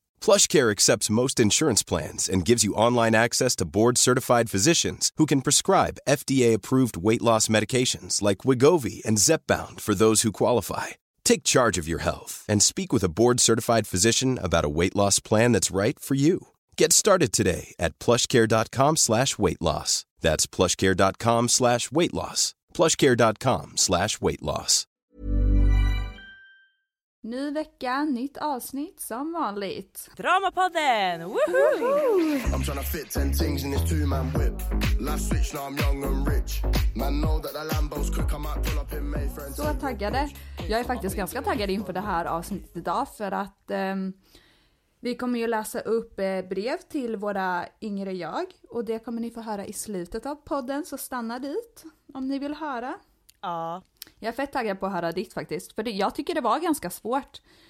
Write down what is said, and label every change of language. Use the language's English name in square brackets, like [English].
[English] PlushCare accepts most insurance plans and gives you online access to board-certified physicians who can prescribe FDA-approved weight loss medications like Wegovy and Zepbound for those who qualify. Take charge of your health and speak with a board-certified physician about a weight loss plan that's right for you. Get started today at PlushCare.com/weight loss. That's PlushCare.com/weight loss. PlushCare.com/weight loss. [Swedish] Ny vecka, nytt avsnitt som vanligt. Dramapodden! Woohoo! [English] I'm trying to fit 10 things in this two-man whip. Last switch, now I'm young and rich. Man know that the Lambos could come out, pull up in May. [Swedish] Så taggade. Jag är faktiskt ganska taggad in på det här avsnittet idag för att vi kommer ju läsa upp brev till våra yngre jag. Och det kommer ni få höra i slutet av podden, så stanna dit. Om ni vill höra. Ja. Jag är fett taggad på att höra ditt faktiskt. För det, jag tycker det var ganska svårt.